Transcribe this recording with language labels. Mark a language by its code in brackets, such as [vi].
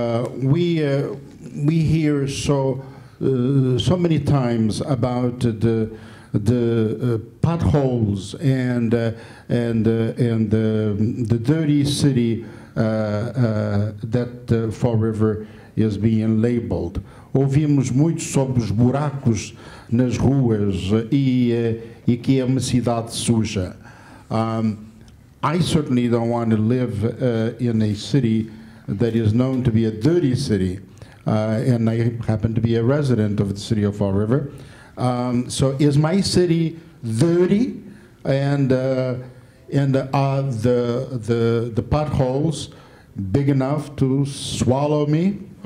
[en] We hear so many times about the potholes and the dirty city that Fall River is being labeled. [pt] Ouvimos muito sobre os buracos nas ruas e que é uma cidade suja. [en] I certainly don't want to live in a city that is known to be a dirty city, and I happen to be a resident of the city of Fall River. So is my city dirty, and are the potholes big enough to swallow me?